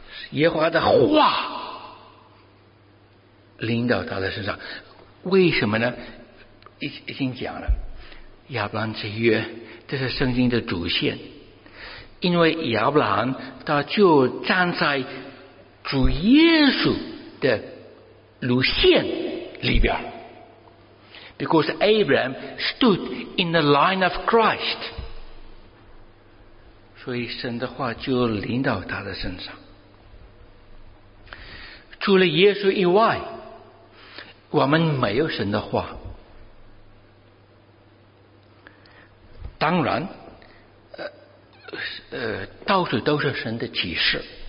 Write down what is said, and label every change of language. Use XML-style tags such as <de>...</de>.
<zh>耶和华的话临到他的身上，为什么呢？已经讲了，亚伯兰之约，这是圣经的主线。因为亚伯兰他就站在主耶稣的路线里边。</zh> <en>Because Abraham stood in the line of Christ.</en> <zh>所以神的话就临到他的身上。除了耶稣以外，我们没有神的话。当然到处都是神的启示。</zh>